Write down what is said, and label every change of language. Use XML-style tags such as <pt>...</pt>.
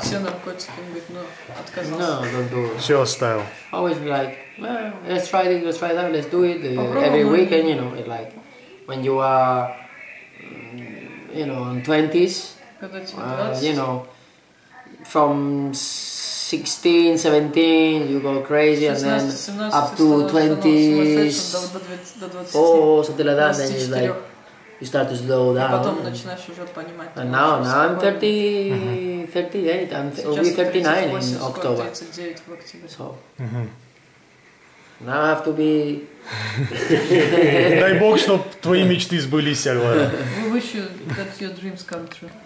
<ru>Все наркотики, но отказался.</ru> <en>No, don't do it.</en> <ru>Все оставил.</ru> <en>Always be like, well, let's try that, let's do it every weekend, you know, it's like when you are, you know, in 20s, you know, from 16, 17, you go crazy, 16, and then up to 20s, something like that, then you like, you start to slow down. And now I'm 39 in October. So, now I have to be...</en> <ru>Дай Бог, чтобы твои мечты сбылись, Альваро.</ru> <en>We wish you that your dreams come true.</en>